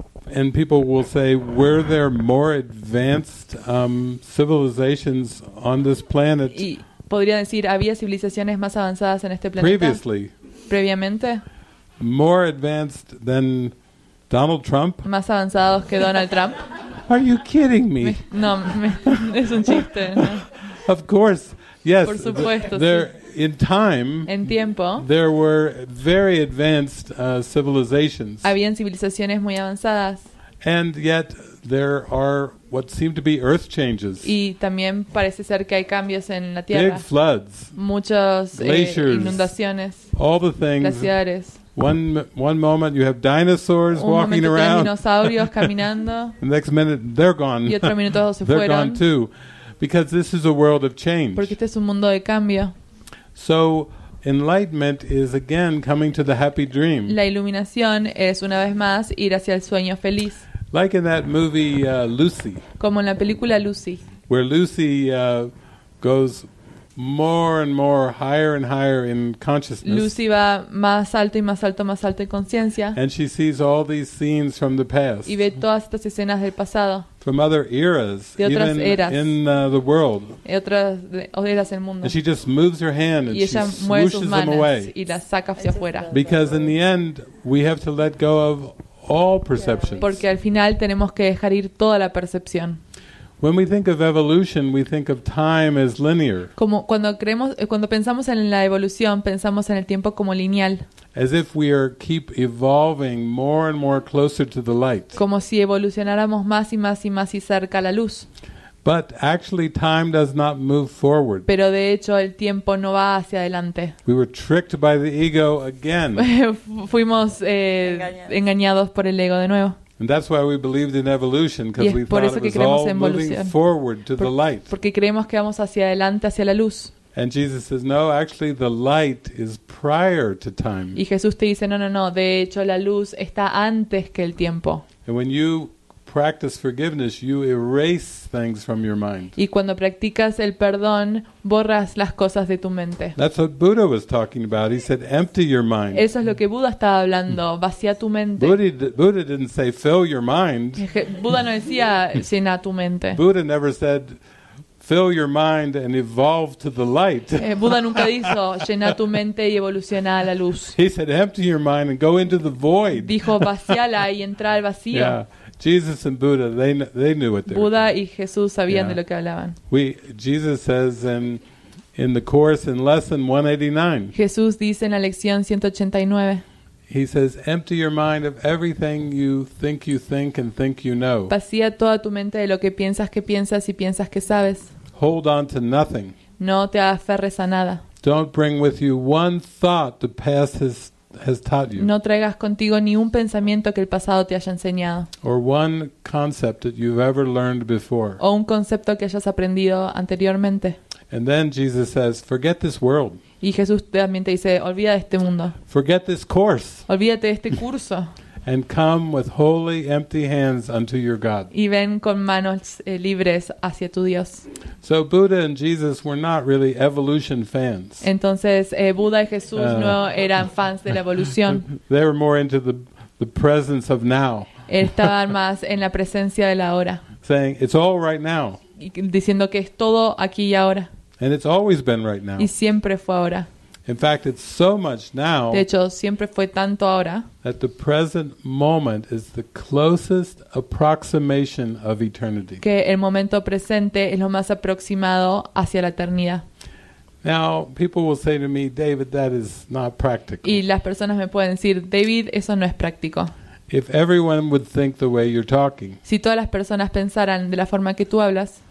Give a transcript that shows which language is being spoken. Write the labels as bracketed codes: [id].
[en] And people will say, were there more advanced civilizations on this planet? [es] Y podría decir, ¿había civilizaciones más avanzadas en este planeta? [en] Previously. [es] Previamente. [en] More advanced than Donald Trump? [es] Más avanzados que Donald Trump. [en] Are you kidding me? [es] Es un chiste, ¿no? [en] Of course, yes. [es] Por supuesto, [en] in time, [es] en tiempo, [en] there were very advanced civilizations. [es] Habían civilizaciones muy avanzadas. [en] And yet there are what seem to be earth changes. [es] Y también parece ser que hay cambios en la tierra. [en] Big floods, [es] muchos [en] glaciers, [es] inundaciones, [en] all the things, [es] glaciares. [en] One moment you have dinosaurs [es] un [en] walking around. [es] Un momento tienes dinosaurios caminando. [en] The next minute they're gone. [es] Y otro minuto se [en] they're [es] fueron. [en] They're gone too, because this is a world of change. [es] Porque este es un mundo de cambio. [en] So enlightenment is again coming to the happy dream. [es] La iluminación es una vez más ir hacia el sueño feliz. [en] Like in that movie Lucy. [es] Como en la película Lucy. [en] Where Lucy goes more and more higher and higher in consciousness. [es] Lucy va más alto y más alto, más alto en conciencia. [en] And she sees all these scenes from the past. [es] Y ve todas estas escenas del pasado. [en] From other eras, [es] de otras [en] even [es] eras. [en] In the world. [es] Y otras eras del mundo. [en] And she just moves her hand and she swooshes them away. [es] Y las saca hacia afuera. [en] Because in the end, we have to let go of all perceptions. [es] Porque al final tenemos que dejar ir toda la percepción. [en] When we think of evolution, we think of time as linear. [es] Como cuando pensamos en la evolución, pensamos en el tiempo como lineal. [en] As if we are keep evolving more and more closer to the light. [es] Como si evolucionáramos más y más y más y cerca a la luz. [en] But actually time does not move forward. [es] Pero de hecho el tiempo no va hacia adelante. [en] We were tricked by the ego again. [es] Fuimos engañados por el ego de nuevo. [en] And that's why we believed in evolution, because we thought it was all moving forward to the light. [es] Porque creemos que vamos hacia adelante, hacia la luz. [en] And Jesus says, no, actually the light is prior to time. [es] Y Jesús te dice, no, de hecho la luz está antes que el tiempo. [en] And when you practice forgiveness, you erase things from your mind. [es] Y cuando practicas el perdón, borras las cosas de tu mente. [en] That's what Buddha was talking about. He said, empty your mind. [es] Eso es lo que Buda estaba hablando. Vacía tu mente. [en] Buddha didn't say, fill your mind. [es] Buda no decía, llena tu mente. [en] Buddha never said, fill your mind and evolve to the light. [es] Buda nunca dijo, llena tu mente y evoluciona a la luz. [en] He said, empty your mind and go into the void. [es] Dijo, vaciala y entra al vacío. [en] Yeah. Jesus and Buddha, they knew what they [es] Buda [en] were [es] y Jesús sabían yeah. de lo que hablaban. [en] Jesus says in the course in lesson 189. [es] Jesús dice en la lección 189. [en] He says, empty your mind of everything you think you think and think you know. [es] Vacía toda tu mente de lo que piensas que piensas y piensas que sabes. [en] Hold on to nothing. [es] No te aferres a nada. [en] Don't bring with you one thought the past has taught you. [es] No traigas contigo ni un pensamiento que el pasado te haya enseñado. [en] Or one concept that you've ever learned before. [es] O un concepto que hayas aprendido anteriormente. [en] And then Jesus says, forget this world. [es] Y Jesús también te dice, olvida de este mundo. [en] Forget this course. [es] Olvídate de este curso. [en] And come with holy, empty hands unto your God. [es] Y ven con manos libres hacia tu Dios. [en] So Buddha and Jesus were not really evolution fans. [es] Entonces Buda y Jesús no eran fans de la evolución. [en] They were more into the presence of now. [es] Estaban más en la presencia de la hora. [en] Saying it's all right now. [es] Y diciendo que es todo aquí y ahora. [en] And it's always been right now. [es] Y siempre fue ahora. [en] In fact, it's so much now. [es] De hecho, siempre fue tanto ahora. [en] That the present moment is the closest approximation of eternity. [es] Que el momento presente es lo más aproximado hacia la eternidad. [en] Now, people will say to me, David, that is not practical. [es] Y las personas me pueden decir, David, eso no es práctico. [en] If everyone would think the way you're talking. [es] Si todas las personas pensaran de la forma que tú hablas.